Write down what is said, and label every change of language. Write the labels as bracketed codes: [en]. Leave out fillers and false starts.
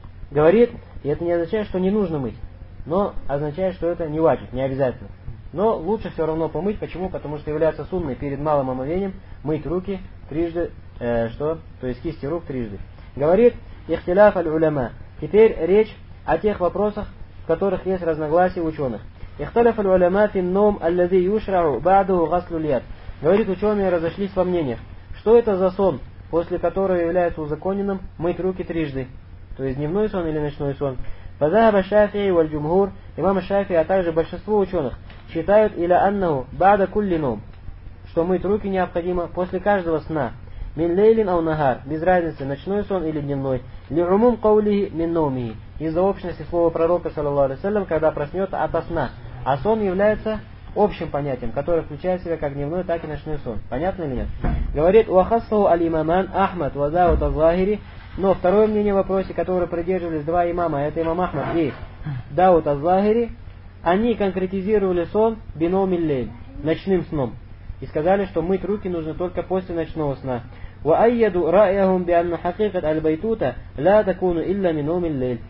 [ru] Говорит, и это не означает, что не нужно мыть, но означает, что это не важно, не обязательно. Но лучше все равно помыть. Почему? Потому что является сунной перед малым омовением мыть руки трижды, что? То есть кисти рук трижды. Говорит, ихтиляф аль-уляма. Теперь речь о тех вопросах, в которых есть разногласия ученых. [ar] اختلف العلماء في النوم الذي يشرع بعده غسل اليد. [ru] Говорит, ученые разошлись во мнениях. Что это за сон, после которого является узаконенным мыть руки трижды? То есть дневной сон или ночной сон? [ar] فذهب الشافعي والجمهور. [ru] Имам Шафии, а также большинство ученых считают [ar] الى انه بعد كل نوم. [ru] Что мыть руки необходимо после каждого сна. [ar] من ليل او نهار. [ru] Без разницы, ночной сон или дневной. [ar] لعموم قوله من نومه. [ru] Из-за общности слова пророка, саллаллаху алейхи ва саллям, когда проснется ото сна. А сон является общим понятием, которое включает в себя как дневной, так и ночной сон. Понятно или нет? Говорит, «Уахассу аль-имаман Ахмад вазау таз-захири». Но второе мнение в вопросе, которое придерживались два имама, это имам Ахмад и Дау таз-захири, они конкретизировали сон биномиллель, ночным сном. И сказали, что мыть руки нужно только после ночного сна. [ar] وأيدوا رأيهم بأن حقيقة البيتوتة لا تكون إلا من نوم الليل.